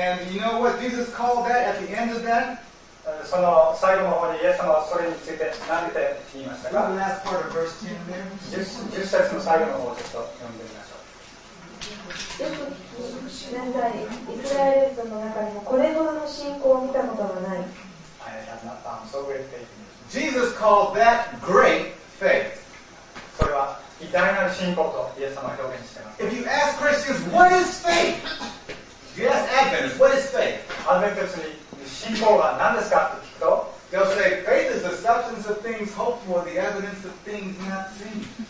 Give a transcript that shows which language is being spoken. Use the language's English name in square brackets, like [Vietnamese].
[English] And you know what Jesus called that at the end of that? [Japanese] その最後の方にイエス様はそれについて何て言いましたか? [English] The last part of verse 10 [Japanese] 10節の最後の方をちょっと読んでみましょう。よく知らないイスラエル人の中にもこれほどの信仰を見たことがない。 [English] So great faith. Jesus called that great faith. [Japanese] それは偉大な信仰とイエス様は表現しています。 [English] If you ask Christians, what is faith? You ask Adventists, what is faith? [Japanese] アドベンティストに 信仰は何ですか? って聞くと [English] They'll say, faith is the substance of things hoped for, the evidence of things not seen.